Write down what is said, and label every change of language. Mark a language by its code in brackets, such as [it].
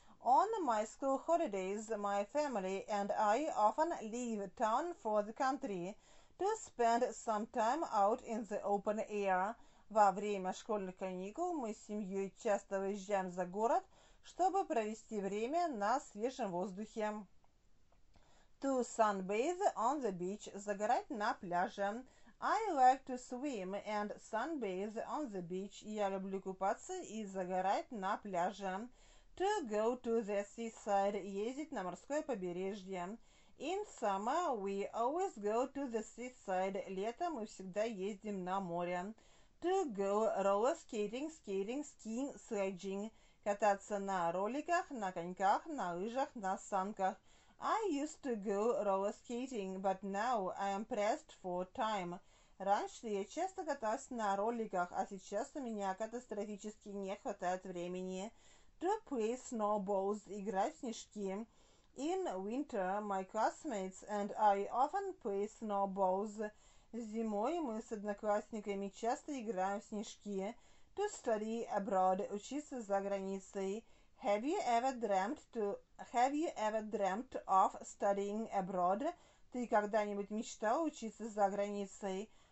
[en] On my school holidays, my family and I often leave town for the country to spend some time out in the open air. [ru] Во время школьных каникул мы с семьей часто выезжаем за город, чтобы провести время на свежем воздухе. [en] To sunbathe on the beach, [ru] загорать на пляже. [en] I like to swim and sunbathe on the beach. [ru] Я люблю купаться и загорать на пляже. [en] To go to the seaside, [ru] ездить на морское побережье. [en] In summer, we always go to the seaside. [ru] Летом мы всегда ездим на море. [en] To go roller skating, skating, skiing, sledging. [ru] Кататься на роликах, на коньках, на лыжах, на санках. [en] I used to go roller skating, but now I am pressed for time. [ru] Раньше я часто каталась на роликах, а сейчас у меня катастрофически не хватает времени. [en] To play snowballs, [ru] играть в снежки. [en] In winter, my classmates and I often play snowballs. [ru] Зимой мы с одноклассниками часто играем в снежки. [en] To study abroad, [ru] учиться за границей. [en] Have you ever dreamt of studying abroad? [ru] Ты когда-нибудь мечтал учиться за границей?